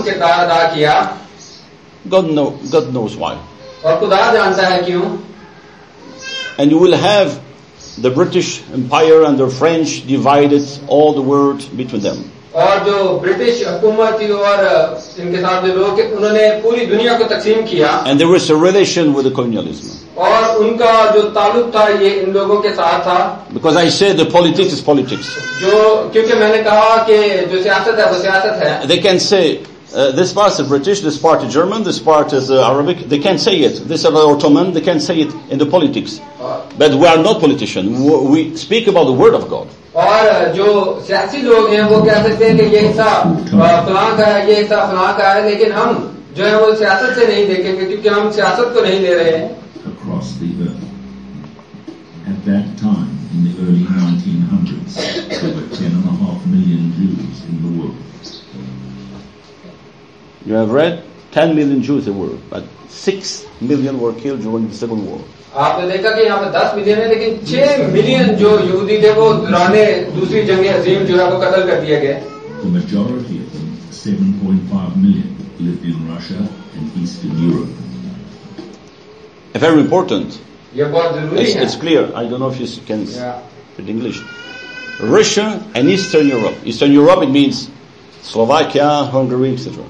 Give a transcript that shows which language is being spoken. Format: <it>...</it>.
<en>God knows why. And you will have the British Empire and the French divided all the world between them.</en> <hi>और जो British हुकूमत थी और इनके साथ जो लोग उन्होंने पूरी दुनिया को तकसीम किया.</hi> <en>And there was a relation with the colonialism.</en> <hi>और उनका जो ताल्लुक था ये इन लोगों के साथ था.</hi> <en>Because I say the politics is politics.</en> <hi>जो क्योंकि मैंने कहा कि जो सियासत है वो सियासत है.</hi> <en>They can say this part is British, this part is German, this part is Arabic. They can't say it. This is Ottoman. They can't say it in the politics. But we are not politicians. We speak about the word of God.</en> <hi>और जो सियासी लोग हैं वो कह सकते हैं कि ये हिस्सा फलां का है, ये हिस्सा फलां का है. लेकिन हम जो है वो सियासत से नहीं देखेंगे क्योंकि हम सियासत को नहीं ले रहे हैं.</hi> <en>Across the earth, at that time in the early 1900s, there were 10.5 million Jews in the world. You have read 10 million Jews there were, but 6 million were killed during the Civil War.</en> <hi>आपने देखा कि यहाँ पर 10 million है लेकिन 6 million जो यहूदी थे वो दुराने दूसरी जंग अजीम चुरा को कत्ल कर दिया गया.</hi> <en>The majority of them, 7.5 million, lived in Russia and Eastern Europe. Very important. Yeah, but the it's, it's clear. I don't know if you can read English. Russia and Eastern Europe. Eastern Europe, it means Slovakia, Hungary, etc.</en>